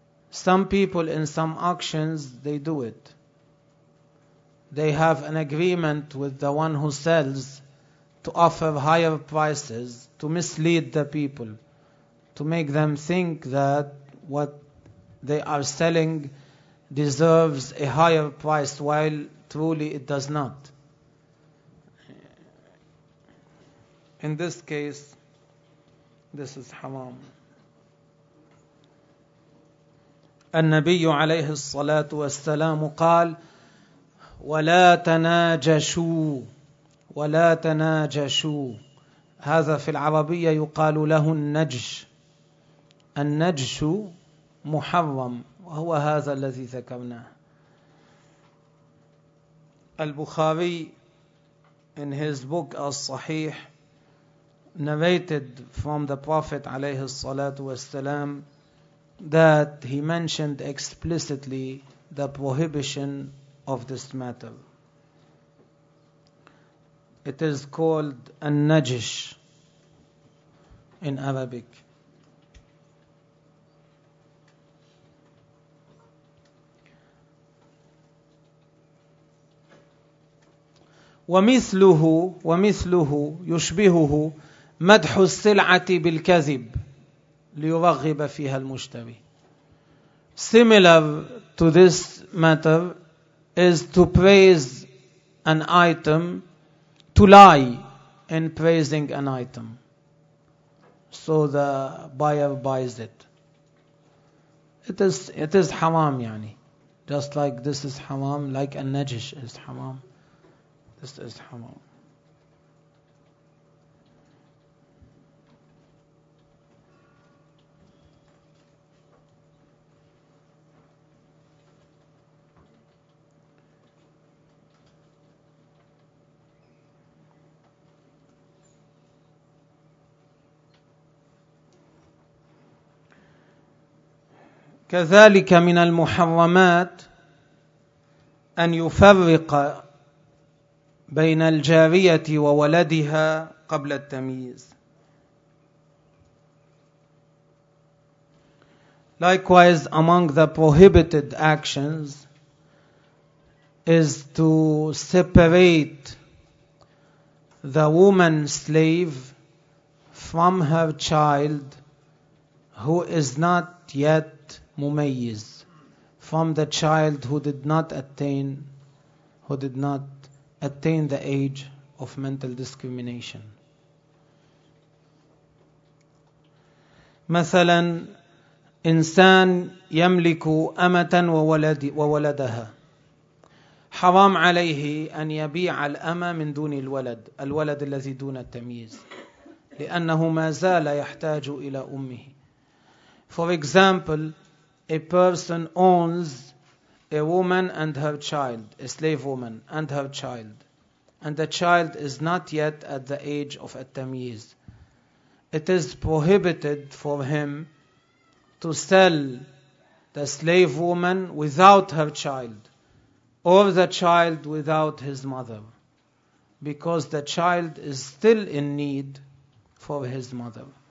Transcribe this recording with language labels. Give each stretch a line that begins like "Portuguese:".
English: Some people in some auctions, they do it. They have an agreement with the one who sells to offer higher prices to mislead the people, to make them think that what they are selling deserves a higher price, while truly it does not. In this case, this is haram.
Arabic: النبي عليه الصلاة والسلام قال ولا تناجشوا ولا تناجشوا. هذا في العربية يقال له النجش. النجش محرم وهو هذا الذي ذكرناه.
English: البخاري in his book الصحيح narrated from the Prophet
Arabic: عليه الصلاة والسلام
English: that he mentioned explicitly the prohibition of this matter. It is called an-najish in Arabic.
Arabic: وَمِثْلُهُ يُشْبِهُهُ مَدْحُ السِّلْعَةِ بِالْكَذِبِ ليرغب فيها المشتري.
English: Similar to this matter is to praise an item, to lie in praising an item, so the buyer buys it. It is haram, yani. Just like this is haram, like an-najish is haram. This is haram.
Arabic: كذلك من المحرمات أن يفرق بين الجارية وولدها قبل التمييز.
English: Likewise, among the prohibited actions is to separate the woman slave from her child who is not yet mumayyiz, from the child who did not attain the age of mental discrimination.
Arabic: مثلا إنسان يملك أمة وولدها. حرام عليه أن يبيع الأمة من دون الولد الذي دون التمييز، لأنه ما زال يحتاج إلى أمه.
English: For example, a person owns a woman and her child, a slave woman and her child, and the child is not yet at the age of at-tamyiz. It is prohibited for him to sell the slave woman without her child, or the child without his mother, because the child is still in need for his mother.